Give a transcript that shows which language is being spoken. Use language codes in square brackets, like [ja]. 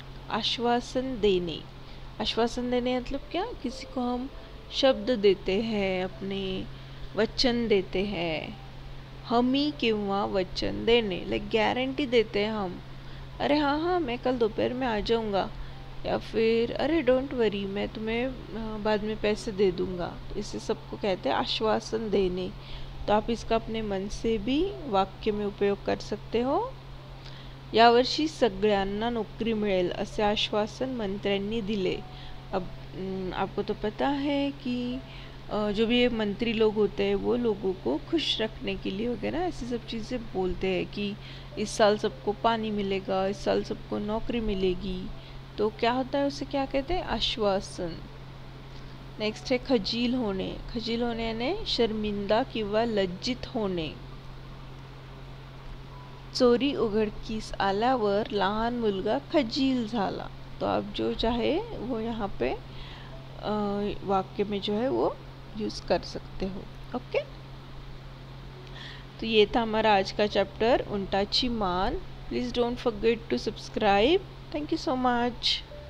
[mr] आश्वासन देणे, आश्वासन देणे [hi] मतलब क्या, किसी को हम शब्द देते हैं, अपने वचन देते हैं, [mr] हमी किंवा वचन देणे, [hi] लाइक गारंटी देते हैं हम, अरे हाँ हाँ मैं कल दोपहर में आ जाऊँगा, या फिर अरे [en] don't worry [hi] मैं तुम्हें बाद में पैसे दे दूँगा। इसे सबको कहते हैं आश्वासन देने। तो आप इसका अपने मन से भी वाक्य में उपयोग कर सकते हो। [mr] यावर्षी सगळ्यांना नोकरी मिळेल असे आश्वासन मंत्र्यांनी दिले। [hi] अब आपको तो पता है कि जो भी ये मंत्री लोग होते हैं वो लोगों को खुश रखने के लिए वगैरह ऐसी सब चीज़ें बोलते हैं कि इस साल सबको पानी मिलेगा, इस साल सबको नौकरी मिलेगी। तो क्या होता है उसे क्या कहते हैं, आश्वासन। नेक्स्ट है, खजील होने, खजील होने यानी शर्मिंदा किंवा लज्जित होने। [mr] चोरी उघडकीस आल्यावर लहान मुलगा खजील झाला। [hi] तो आप जो चाहे वो यहाँ पे वाक्य में जो है वो यूज़ कर सकते हो। ओके, तो ये था हमारा आज का चैप्टर [en] उंटाची मान। Please don't forget to subscribe. Thank you so much.